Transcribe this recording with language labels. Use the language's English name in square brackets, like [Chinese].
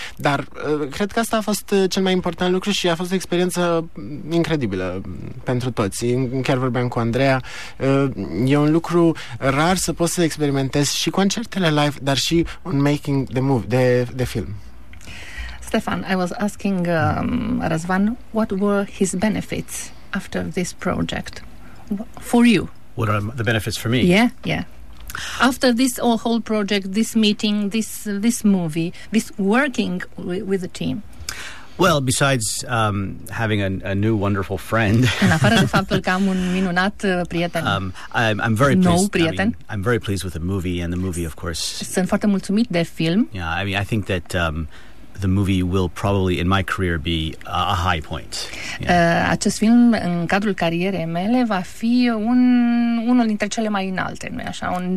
[Romanian] Dar cred că asta a fost cel mai important lucru și a fost o experiență incredibilă pentru toți. Chiar vorbeam cu Andreea, e un lucru rar să poți să experimentezi și concertele live, dar și un [English] making the movie, [Romanian] de film. [English] Ștefan, I was asking Răzvan, what were his benefits after this project for you? What are the benefits for me? Yeah. After this whole project, this meeting, this movie, this working with the team. Well, besides having a new wonderful friend. [Romanian] În afară de faptul că am un minunat prieten. [English] I'm very pleased. [Romanian] Nou prieten. [English] I mean, I'm very pleased with the movie, and the movie, of course. [Romanian] Sunt foarte mulțumit de film. [English] Yeah, I mean, I think that the movie will probably in my career be a high point. Yeah. [Romanian] Acest film în cadrul carierei mele va fi unul dintre cele mai înalte, nu-i așa?